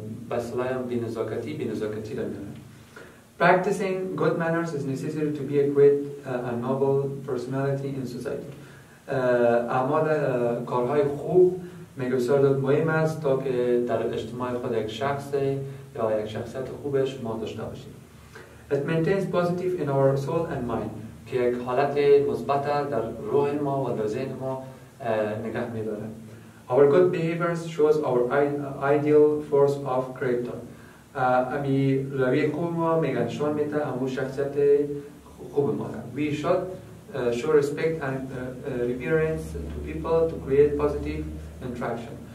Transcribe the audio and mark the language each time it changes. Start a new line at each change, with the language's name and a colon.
Persian: بسلای هم بی نزاکتی را میاره
English: Practicing good manners is necessary to be a great and noble personality in society
Persian: اعمال کارهای خوب میگه بسار داد مهم است تا که در اجتماع خود یک شخص یا یک شخصیت خوبه شما داشته باشید
English: It maintains positive in our soul and mind
Persian: که یک حالت مثبت در روح ما و در ذهن ما نگه می‌داره.
English: Our good behavior shows our ideal force of character.
Persian: امی رویه خوب ما میگه نشان می‌ده امو شخصیت خوب ما.
English: We should show respect and reverence to people to create positive interaction.